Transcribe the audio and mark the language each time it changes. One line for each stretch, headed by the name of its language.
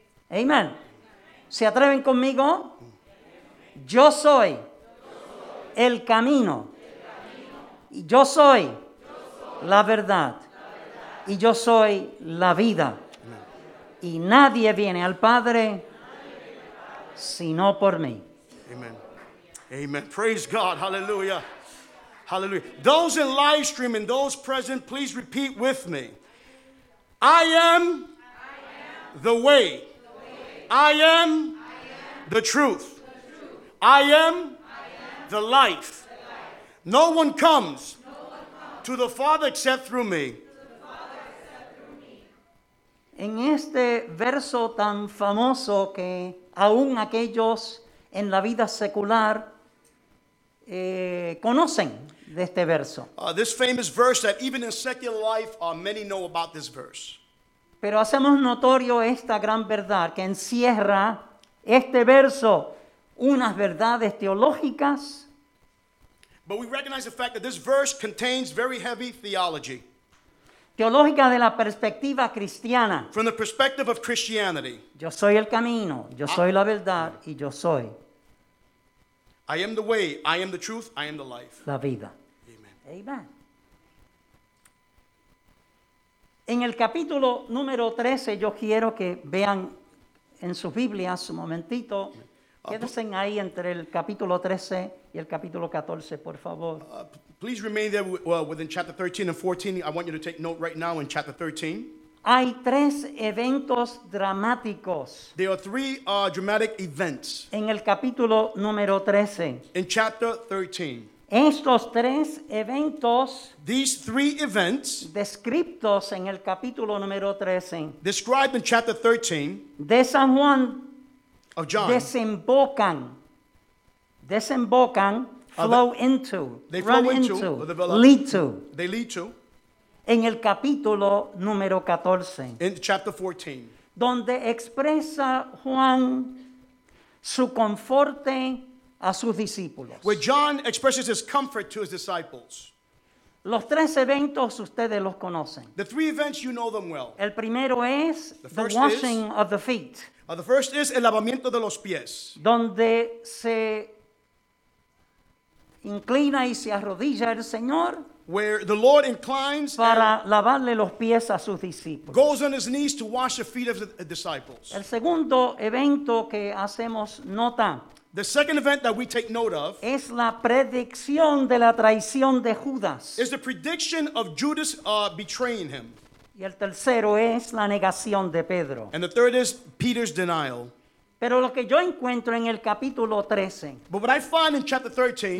Spanish: Amén. ¿Se atreven conmigo? Yo soy el camino. Yo soy la verdad. Y yo soy la vida. Y nadie viene al Padre sino por mí.
English: Amén. Amén. Praise God. Hallelujah. Hallelujah. Those in live stream and those present, please repeat with me. I am the way. I am the truth. I am the life. No one comes to the Father except through me.
Spanish: En este verso tan famoso que aún aquellos en la vida secular conocen de este verso.
English: This famous verse that even in secular life many know about this verse.
Spanish: Pero hacemos notorio esta gran verdad que encierra este verso unas verdades teológicas.
English: But we recognize the fact that this verse contains very heavy theology.
Spanish: Teológica de la perspectiva cristiana.
English: From the perspective of Christianity.
Spanish: Yo soy el camino, yo soy la verdad y yo soy.
English: I am the way, I am the truth, I am the life.
Spanish: La vida.
English: Amen. Amen.
Spanish: En el capítulo número 13, yo quiero que vean en sus Biblias un momentito. Quédense ahí entre el capítulo 13 y el capítulo 14, por favor.
English: Please remain there within chapter 13 and 14. I want you to take note right now in chapter 13.
Spanish: Hay tres eventos dramáticos.
English: There are three dramatic events.
Spanish: En el capítulo número 13.
English: In chapter 13.
Spanish: Estos tres eventos,
English: these three events,
Spanish: descriptos en el capítulo número 13,
English: described in chapter 13,
Spanish: de San Juan,
English: of John,
Spanish: desembocan,
English: flow into, they run flow into, develop, lead to, they lead to,
Spanish: en el capítulo número 14,
English: in chapter 14,
Spanish: donde expresa Juan su conforte a sus discípulos.
English: Where John expresses his comfort to his disciples.
Spanish: Los tres eventos ustedes los conocen.
English: The three events, you know them well.
Spanish: El primero es
English: the washing of the feet. The first is
Spanish: el lavamiento de los pies. Donde se inclina y se arrodilla el Señor.
English: Where the Lord inclines
Spanish: para lavarle los pies a sus discípulos.
English: Goes on his knees to wash the feet of the disciples.
Spanish: El segundo evento que hacemos nota.
English: The second event that we take note of
Spanish: es la predicción de la traición de Judas.
English: Is the prediction of Judas betraying him.
Spanish: Y el tercero es la negación de Pedro.
English: And the third is Peter's denial.
Spanish: Pero lo que yo encuentro en el capítulo 13,
English: but what I find in chapter 13,